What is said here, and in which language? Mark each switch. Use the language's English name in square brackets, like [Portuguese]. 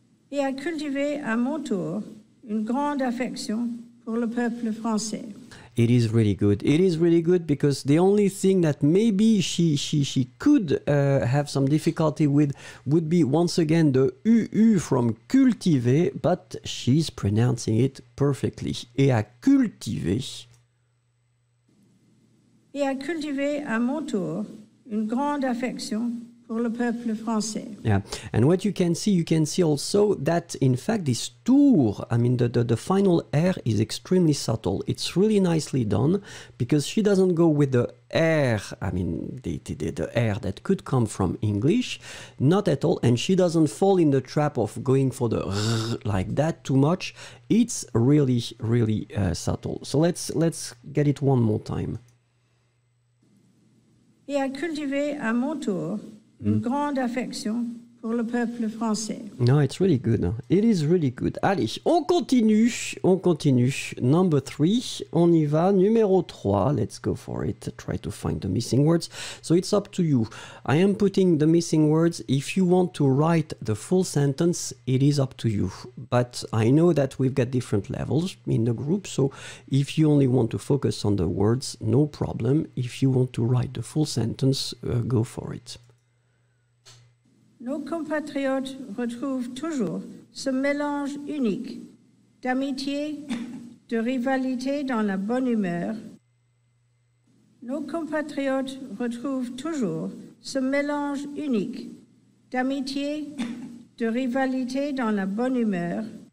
[French] Et à cultiver à mon tour une grande affection pour le peuple français. [English] It is really good. It is really good because the only thing that maybe she could have some difficulty with would be once again the UU from cultiver, but she's pronouncing it perfectly. [French] Et à cultiver. Et à cultiver à mon tour une grande affection. Pour le peuple français. [English] Yeah, and what you can see also that in fact this tour, I mean the final R is extremely subtle. It's really nicely done because she doesn't go with the R, I mean the R that could come from English, not at all, and she doesn't fall in the trap of going for the R like that too much. It's really, really subtle. So let's get it one more time. [French] Et à cultiver à mon tour. Une grande affection pour le peuple français. [English] No, it's really good. It is really good. [French] Allez, on continue. On continue. [English] Number three. [French] On y va. Numéro trois. [English] Let's go for it. Try to find the missing words. So it's up to you. I am putting the missing words. If you want to write the full sentence, it is up to you. But I know that we've got different levels in the group. So if you only want to focus on the words, no problem. If you want to write the full sentence, go for it. [French] Nos compatriotes retrouvent toujours ce mélange unique d'amitié, de rivalité dans la bonne humeur. Nos compatriotes retrouvent toujours ce mélange unique d'amitié, de rivalité dans la bonne humeur.